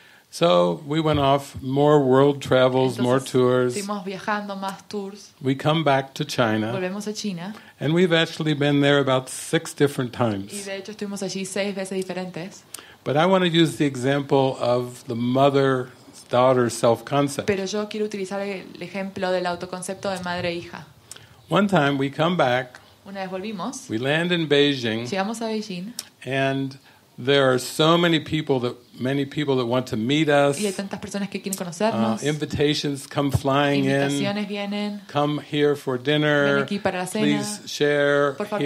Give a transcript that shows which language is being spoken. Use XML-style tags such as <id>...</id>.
<en>So we went off more world travels,</en> <es>Entonces,</es> <en>more tours.</en> <es>Seguimos viajando, más tours.</es> <en>We come back to China.</en> <es>Volvemos a China.</es> <en>And we've actually been there about 6 different times.</en> <es>Y de hecho estuvimos allí 6 veces diferentes.</es> <en>But I want to use the example of the mother-daughter self-concept.</en> <es>Pero yo quiero utilizar el ejemplo del autoconcepto de madre-hija.</es> <en>One time we come back.</en> <es>Una vez volvimos.</es> <en>We land in Beijing.</en> <es>Llegamos a Beijing.</es> <en>And there are so many people that want to meet us.</en> <es>Y hay tantas personas que quieren conocernos.</es> <en>Invitations come flying</en> <es>Invitaciones</es> <en>in.</en> <es>Vienen.</es> <en>Come here for dinner.</en> <es>Ven aquí para la cena.</es> <en>Please share</en> <es>Por favor,</es>